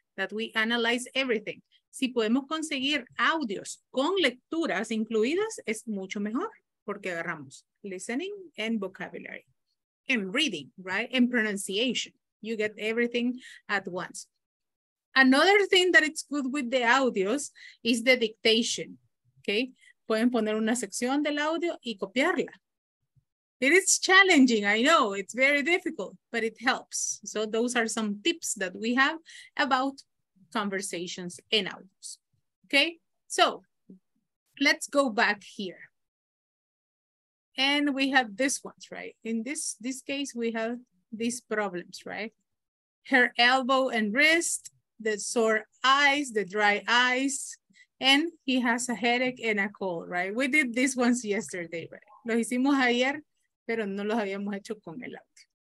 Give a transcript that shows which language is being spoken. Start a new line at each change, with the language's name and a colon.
English: That we analyze everything.
Spanish: Si podemos conseguir audios con lecturas incluidas, es mucho mejor porque agarramos
English: listening and vocabulary and reading, right? And pronunciation. You get everything at once. Another thing that it's good with the audios is the dictation, okay?
Spanish: Pueden poner una sección del audio y copiarla.
English: It is challenging, I know. It's very difficult, but it helps. So those are some tips that we have about conversations and audios. Okay, so let's go back here. And we have this one, right? In this case, we have these problems, right? Her elbow and wrist, the sore eyes, the dry eyes, and he has a headache and a cold, right? We did this ones yesterday, right?
Spanish: Lo hicimos ayer, pero no los habíamos hecho con el audio.